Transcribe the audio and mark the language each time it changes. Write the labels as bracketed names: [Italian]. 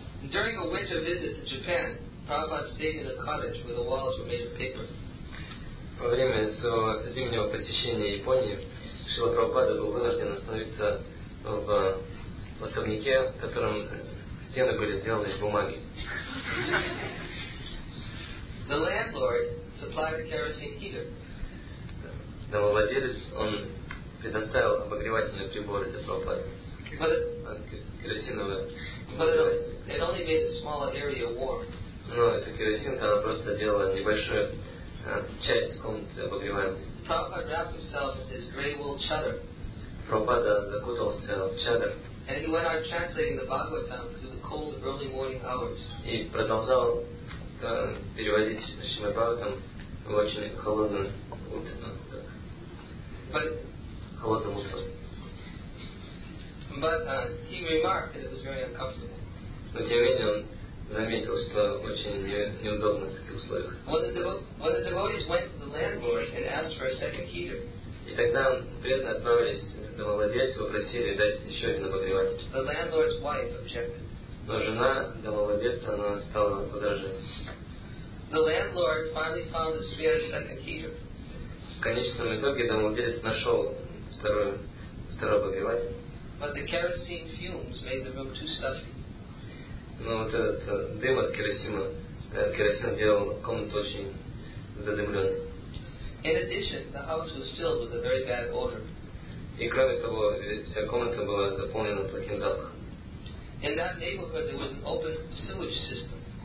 [English] During a winter visit to Japan, Prabhupada stayed in a cottage where the walls were made of paper. [Russian] Во время зимнего посещения Японии, Шрила Прабхупада был вынужден остановиться в особняке, в котором стены были сделаны из бумаги. [English] The landlord supplied the kerosene heater. [Russian] Домовладелец, он предоставил обогревательный прибор для Прабхупады. [English] But it only made a small area warm. [Russian] Но эта керосинка, она просто делала небольшую часть комнаты обогреваемой. [English] Prabhupada wrapped himself in his grey wool chadar. [Russian] Prabhupada закутался в чадр. [English] And he went out translating the Bhagavatam through the cold early morning hours. [Russian] И продолжал переводить Шримад Бхагаватам в очень холодном утром. [English] But he remarked that it was very uncomfortable. [Russian] Но тем не менее он заметил, что очень неудобно в таких условиях. [English] When the devotees went to the landlord and asked for a second heater. [Russian] И тогда преданные отправились домовладельцу, попросили дать еще один обогреватель. [English] The landlord's wife objected. [Russian] Но жена домовладельца, она стала подражать. [English] The landlord finally found a spare second heater. [Russian] В конечном итоге домовладелец нашел второй обогреватель. [English] But the kerosene fumes made the room too stuffy. [Russian] Но вот этот дым от керосина делал комнату очень задымленной. [English] In addition, the house was filled with a very bad odor. [Russian] И кроме того, вся комната была заполнена плохим запахом. [English] In that neighborhood, there was an open sewage system.